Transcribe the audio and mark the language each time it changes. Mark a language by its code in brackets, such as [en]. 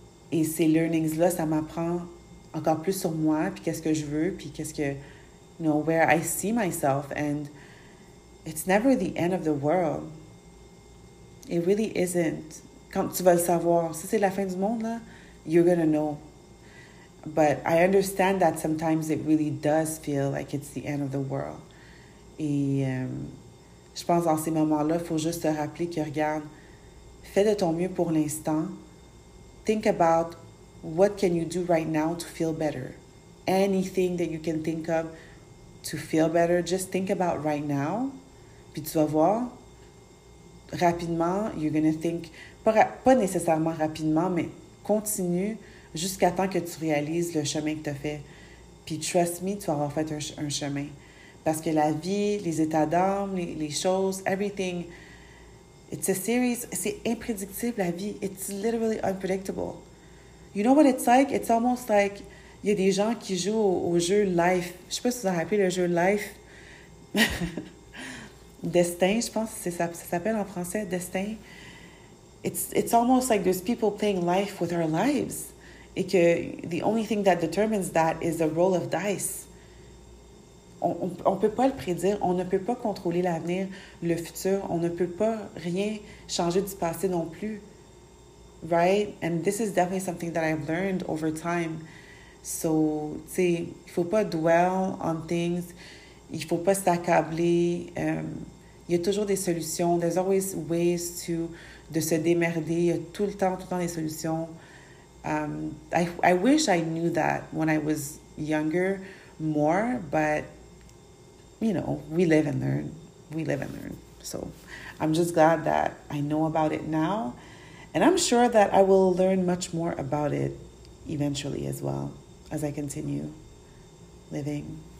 [fr] Et ces learnings là, ça m'apprend encore plus sur moi puis qu'est-ce que je veux puis qu'est-ce que, [en] you know, where I see myself, and it's never the end of the world. It really isn't. [fr] Quand tu vas le savoir, si c'est la fin du monde, là, [en] you're gonna know. But I understand that sometimes it really does feel like it's the end of the world. [fr] Et je pense dans ces moments-là, il faut juste te rappeler que, regarde, fais de ton mieux pour l'instant. [en] Think about what can you do right now to feel better. Anything that you can think of to feel better, just think about right now. [fr] Puis tu vas voir, rapidement, [en] you're going to think, [fr] pas nécessairement rapidement, mais continue jusqu'à temps que tu réalises le chemin que tu as fait. Puis [en] trust me, [fr] tu vas avoir fait un chemin. Parce que la vie, les états d'âme, les choses, [en] everything, it's a series, [fr] c'est imprédictible, la vie. [en] It's literally unpredictable. You know what it's like? It's almost like, [fr] il y a des gens qui jouent au jeu Life. Je sais pas si vous vous rappelez le jeu Life. Destin, je pense que c'est ça, ça s'appelle en français, Destin. [en] It's almost like there's people playing Life with our lives. [fr] Et que [en] the only thing that determines that is the roll of dice. [fr] On peut pas le prédire. On ne peut pas contrôler l'avenir, le futur. On ne peut pas rien changer du passé non plus. [en] Right? And this is definitely something that I've learned over time. [fr] So, tu sais, il faut pas [en] dwell on things. [fr] Il faut pas s'accabler. Il y a toujours des solutions. [en] There's always ways to [fr] de se démerder. Il y a tout le temps des solutions. [en] I wish I knew that when I was younger more, but, you know, we live and learn. So I'm just glad that I know about it now, and I'm sure that I will learn much more about it eventually as well as I continue living.